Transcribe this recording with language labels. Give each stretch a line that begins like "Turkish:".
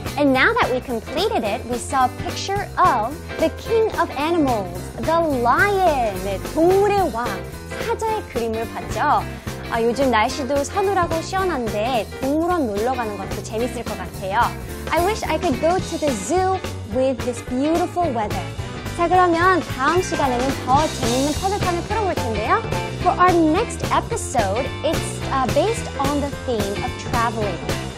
English: And now that we completed it, we saw a picture of the king of animals, the lion.
Korean: 네, 동물의 왕, 사자의 그림을 봤죠. 아, 요즘 날씨도 서늘하고 시원한데 동물원 놀러 가는 것도 재밌을 것 같아요.
English: I wish I could go to the zoo with this beautiful weather.
Korean: 자, 그러면 다음 시간에는 더 재밌는 퍼즐판을 풀어볼 텐데요.
English: For our next episode, it's based on the theme of traveling.